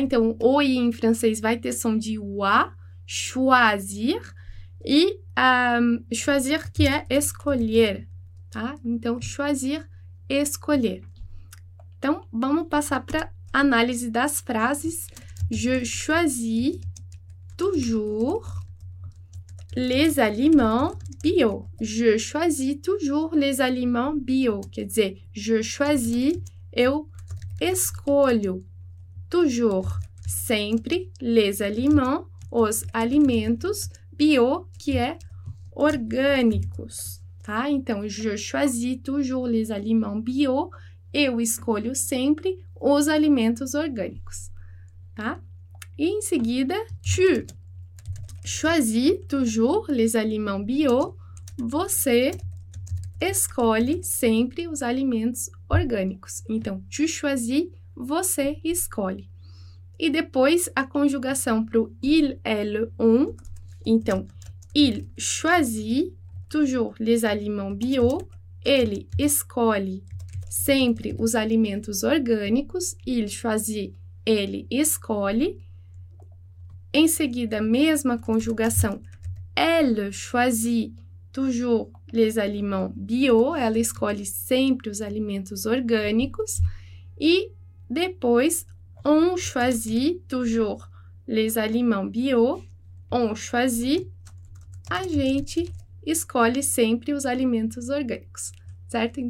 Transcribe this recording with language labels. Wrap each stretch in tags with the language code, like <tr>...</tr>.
<pt>Então, oi em francês vai ter som de wa, choisir. E choisir que é escolher, tá? Então, choisir, escolher. Então, vamos passar para análise das frases.</pt> <fr>Je choisis toujours les aliments bio. Je choisis toujours les aliments bio.</fr> <pt>Quer dizer,</pt> <fr>je choisis,</fr> <pt>eu escolho</pt> <fr>toujours,</fr> <pt>sempre,</pt> <fr>les aliments,</fr> <pt>os alimentos. Bio, que é orgânicos, tá?</pt> <fr>Então, je choisis toujours les aliments bio.</fr> <pt>Eu escolho sempre os alimentos orgânicos, tá? E em seguida,</pt> <fr>tu choisis toujours les aliments bio.</fr> <pt>Você escolhe sempre os alimentos orgânicos. Então,</pt> <fr>tu choisis,</fr> <pt>você escolhe. E depois, a conjugação para o</pt> <fr>il, elle, on.</fr> <pt>Então,</pt> <fr>Il choisit toujours les aliments bio.</fr> <pt>Ele escolhe sempre os alimentos orgânicos.</pt> <fr>Il choisit,</fr> <pt>ele escolhe. Em seguida, mesma conjugação.</pt> <fr>Elle choisit toujours les aliments bio.</fr> <pt>Ela escolhe sempre os alimentos orgânicos. E depois,</pt> <fr>on choisit toujours les aliments bio. On choisit.</fr> <pt>A gente escolhe sempre os alimentos orgânicos, certo?</pt>